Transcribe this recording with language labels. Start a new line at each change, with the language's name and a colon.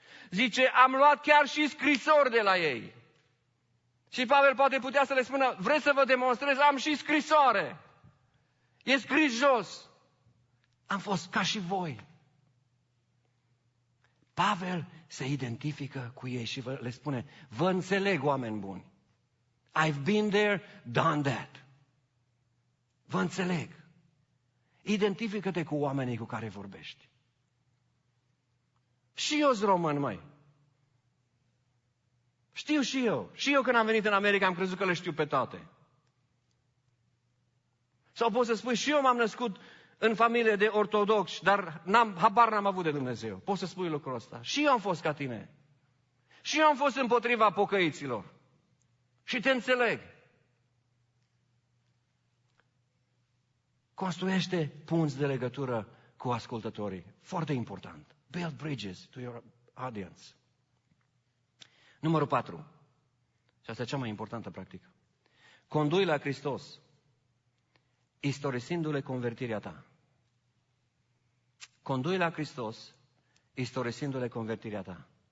Romanian: Zice, am luat chiar și scrisori de la ei. Și Pavel poate putea să le spună, vreți să vă demonstrez, am și scrisoare. E scris jos. Am fost ca și voi. Pavel se identifică cu ei și le spune, vă înțeleg, oameni buni.
English: I've been there, done that.
Romanian: Vă înțeleg. Identifică-te cu oamenii cu care vorbești. Și eu-s român, măi. Știu și eu. Și eu când am venit în America am crezut că le știu pe toate. Sau poți să spui, și eu m-am născut în familie de ortodoxi, dar habar n-am avut de Dumnezeu. Poți să spui lucrul ăsta. Și eu am fost ca tine. Și eu am fost împotriva pocăiților. Și te înțeleg. Construiește punți de legătură cu ascultătorii. Foarte important.
English: Build bridges to your audience.
Romanian: Numărul 4. Și asta e cea mai importantă practică. Condu-i la Hristos, istorisindu-le convertirea ta. Condu-i la Hristos, istorisindu-le convertirea ta.